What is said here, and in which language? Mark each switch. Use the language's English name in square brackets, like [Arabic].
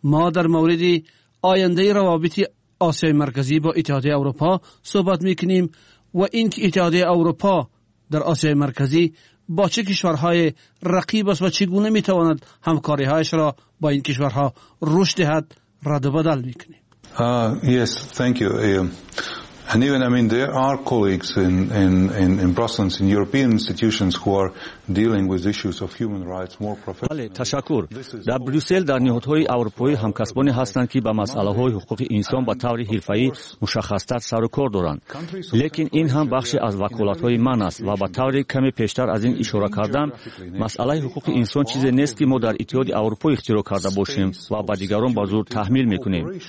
[Persian] ما در مورد آینده روابط آسیای مرکزی با اتحادیه اروپا صحبت میکنیم و اینکه اتحادیه اروپا در آسیای مرکزی با چه کشورهای رقیب است و چگونه میتواند همکاری هایش را با این کشورها رشد دهد رد و بدل میکنیم. [English] Yes, thank you. And even, I mean, there are colleagues in Brussels, in European institutions who are dealing with issues of human rights more professionally. [Persian] بله، تشکر. در بروسل در نهادهای اروپایی همکسبانی هستند که با مسئله های حقوق انسان به طور حرفه‌ای مشخص‌تر سر و کار دارند. لیکن این هم بخشی از وکالت های من است و به طور کمی پیشتر از این اشاره کردم، مسئله حقوق انسان چیزی نیست که ما در اتحاد اروپا اختراع کرده باشیم و به دیگران به زور تحمیل میکنیم.